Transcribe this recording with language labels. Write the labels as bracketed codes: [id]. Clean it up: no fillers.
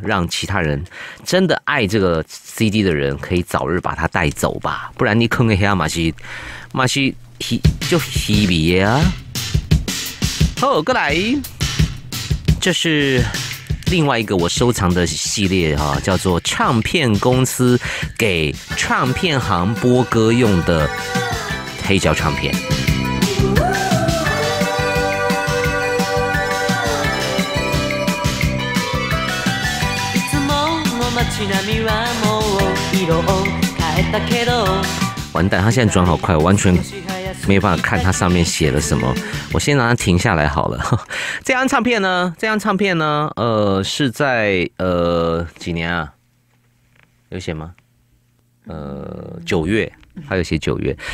[zh] 让其他人真的爱这个 CD 的人可以早日把它带走吧，不然你坑个黑阿马西，马西就稀米啊。好，过来。这是另外一个我收藏的系列哈，叫做唱片公司给唱片行播歌用的黑胶唱片。 [ja] いつもの街並みはもう色を変えたけど [zh] 完蛋，他现在转好快，我完全没有办法看他上面写了什么。我先让他停下来好了。这张唱片呢？这张唱片呢？是在几年啊？有写吗？九月，他有写九月。